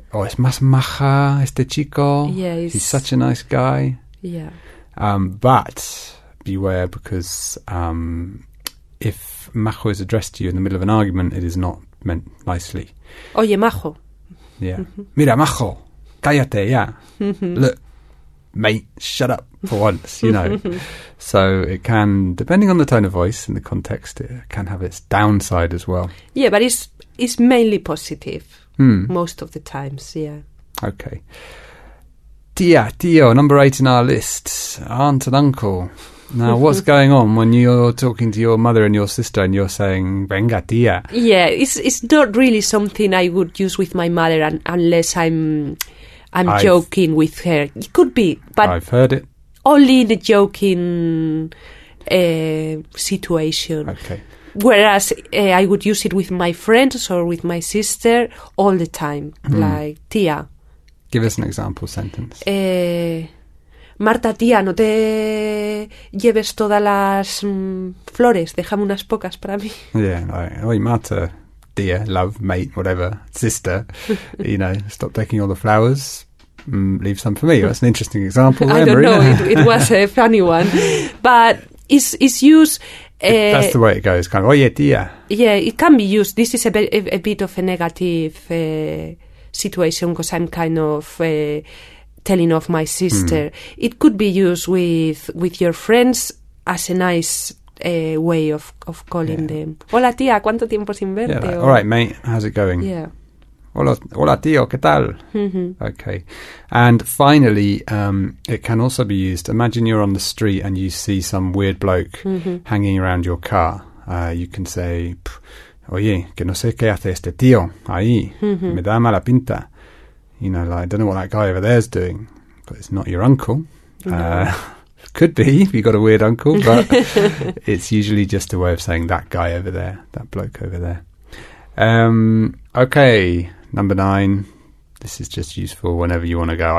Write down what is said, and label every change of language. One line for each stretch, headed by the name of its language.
Spanish: Oh, es más maja este chico.
English: Yeah, he's such a nice guy. Yeah. But beware, because if majo is addressed to you in the middle of an argument, it is not meant nicely.
Spanish: Oye, majo. Yeah. Mm-hmm. Mira, majo. Cállate, yeah. Mm-hmm.
English: Look, mate, shut up for once, you know. So it can, depending on the tone of voice and the context, it can have its downside as well. Yeah, but it's mainly positive most of the times, yeah. Okay. Tia, tío, number 8 in our list. Aunt and uncle. Now, what's going on when you're talking to your mother and your sister and you're saying,
Spanish: venga, tía?
English: Yeah, it's not really something I would use with my mother unless I'm joking with her. It could be, but I've heard it. Only in a joking situation. Okay. Whereas I would use it with my friends or with my sister all the time, like, tía. Give us an example sentence.
Spanish: Marta, tía, no te lleves todas las flores. Déjame unas pocas para mí.
English: Yeah, like, oye, Marta, dear, love, mate, whatever, sister, you know, stop taking all the flowers, leave some for me. That's an interesting example. I don't know, it was a funny one. But it's used... that's the way it goes, kind of,
Spanish: oye, tía.
English: Yeah, it can be used. This is a bit of a negative situation because I'm kind of... telling off my sister. It could be used with your friends as a nice way of calling them.
Spanish: Hola tía, ¿cuánto tiempo sin verte?
English: Yeah, like, all right, mate, how's it going? Yeah.
Spanish: Hola tío, ¿qué tal? Mm-hmm.
English: Okay. And finally, it can also be used, imagine you're on the street and you see some weird bloke hanging around your car. You can say,
Spanish: oye, que no sé qué hace este tío ahí. Mm-hmm. Me da mala pinta.
English: You know, like, I don't know what that guy over there is doing, but it's not your uncle. No. Could be if you've got a weird uncle, but it's usually just a way of saying that guy over there, that bloke over there. Okay, number 9. This is just useful whenever you want to go.